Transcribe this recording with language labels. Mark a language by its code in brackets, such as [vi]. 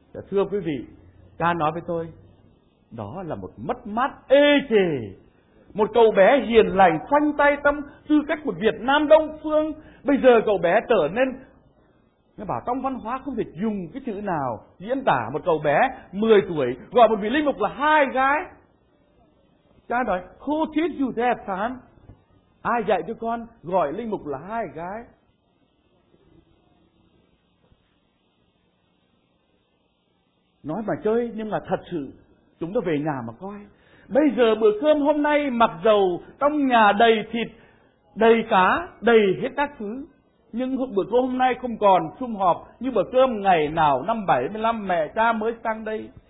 [vi] Thưa quý vị, cha nói với tôi, đó là một mất mát ê chề. Một cậu bé hiền lành khoanh tay tâm tư cách một Việt Nam đông phương, bây giờ cậu bé trở nên, nó bảo trong văn hóa không thể dùng cái chữ nào diễn tả một cậu bé 10 tuổi gọi một vị linh mục là hai gái. Cha nói, [en] who teach you that, son? [vi] Ai dạy cho con gọi linh mục là hai gái? Nói mà chơi, nhưng mà thật sự chúng ta về nhà mà coi. Bây giờ bữa cơm hôm nay, mặc dầu trong nhà đầy thịt, đầy cá, đầy hết các thứ, nhưng bữa cơm hôm nay không còn sum họp như bữa cơm ngày nào năm 75 mẹ cha mới sang đây.